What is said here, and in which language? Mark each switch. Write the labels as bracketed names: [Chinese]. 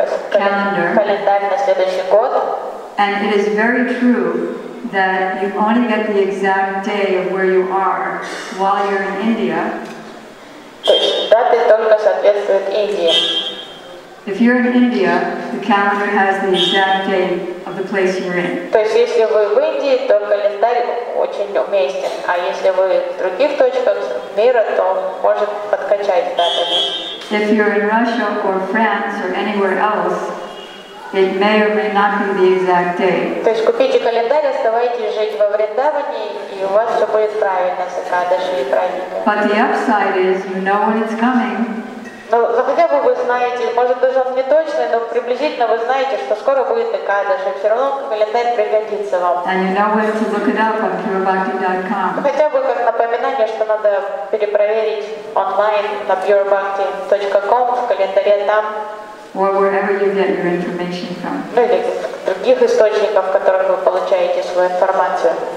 [Russian] календарь на следующий год. [English] And it is very true that you only get the exact day of where you are while you're in India. If you're in India, the calendar has the exact day of the place you're in. [Russian] То есть если вы в Индии, то календарь очень уместен, а если вы в других точках мира, то может подкачать даты. [English] If you're in Russia or France or anywhere else, it may or may not be the exact day. [Russian] То есть купите календарь, оставайтесь жить во Вриндаване, и у вас все будет правильно с Экадаши и праздниками. [English] But the upside is, you know when it's coming. [Russian] Ну, хотя бы вы знаете, может даже он не точный, но приблизительно вы знаете, что скоро будет Экадаш, и все равно календарь пригодится вам. [English] And you know where to look it up on purebhakti.com. [Russian] Хотя бы как напоминание, что надо перепроверить онлайн на purebhakti.com, в календаре там. [English] Or wherever you get your information from. [Russian] Ну или других источников, в которых вы получаете свою информацию.